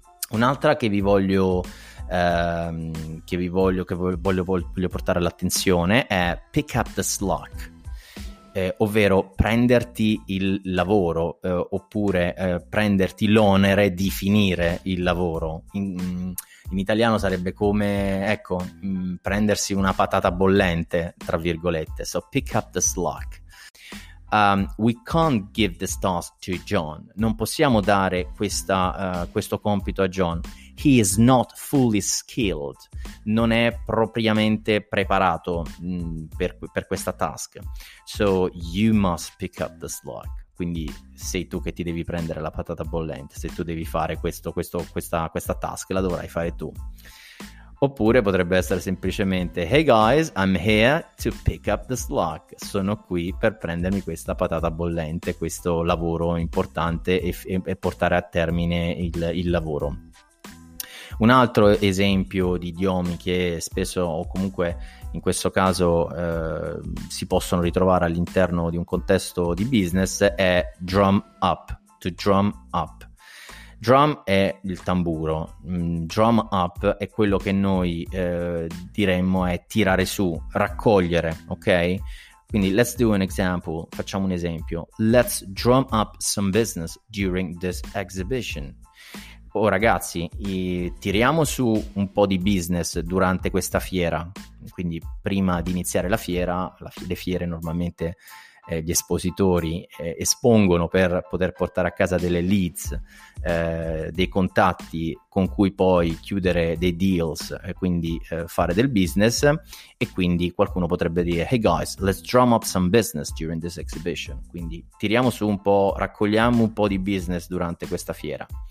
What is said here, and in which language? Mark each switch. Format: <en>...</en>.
<it>Un'altra che voglio portare all'attenzione è pick up the slack, ovvero prenderti il lavoro, oppure prenderti l'onere di finire il lavoro. In italiano sarebbe come, ecco, prendersi una patata bollente, tra virgolette.</it> <en>So, pick up the slack. We can't give this task to John.</en> <it>Non possiamo dare questo compito a John.</it> <en>He is not fully skilled.</en> <it>Non è propriamente preparato per questa task.</it> <en>So, you must pick up the slack.</en> <it>Quindi sei tu che ti devi prendere la patata bollente, se tu devi fare questa task, la dovrai fare tu. Oppure potrebbe essere semplicemente,</it> <en>hey guys, I'm here to pick up the slack.</en> <it>Sono qui per prendermi questa patata bollente, questo lavoro importante e portare a termine il lavoro. Un altro esempio di idiomi che spesso, o comunque in questo caso, si possono ritrovare all'interno di un contesto di business è drum up, to drum up. Drum è il tamburo, drum up è quello che noi diremmo è tirare su, raccogliere, ok? Quindi</it> <en>let's do an example,</en> <it>facciamo un esempio.</it> <en>Let's drum up some business during this exhibition.</en> <it>Oh ragazzi, tiriamo su un po' di business durante questa fiera. Quindi prima di iniziare la fiera, le fiere normalmente gli espositori espongono per poter portare a casa delle leads, dei contatti con cui poi chiudere dei deals e quindi fare del business, e quindi qualcuno potrebbe dire</it> <en>hey guys, let's drum up some business during this exhibition,</en> <it>quindi tiriamo su un po', raccogliamo un po' di business durante questa fiera.</it>